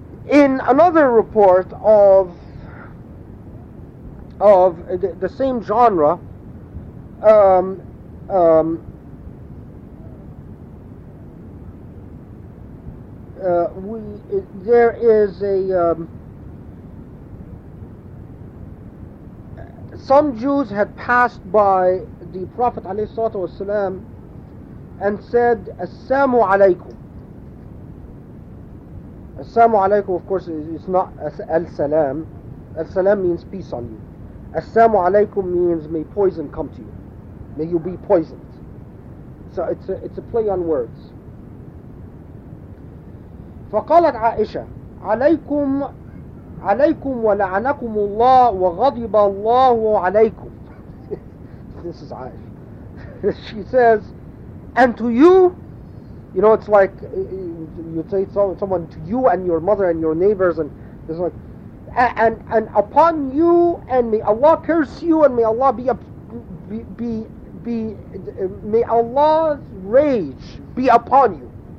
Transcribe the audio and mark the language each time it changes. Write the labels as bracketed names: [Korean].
[English] In another report of the same genre, there is a some Jews had passed by the Prophet alayhi salatu wasalam and said assalamu alaykum. Assalamu alaykum, of course, is not al-salam. Al-salam means peace on you. Assalamu alaykum means may poison come to you, may you be poisoned. So it's a play on words. [Arabic] فقالت عائشة عليكم عليكم ولعنكم الله وغضب الله عليكم. [English] This is Aisha. She says, and to you, you know, it's like you say someone to you and your mother and your neighbors, and it's like, and upon you, and may Allah curse you, and may Allah may Allah's rage be upon you.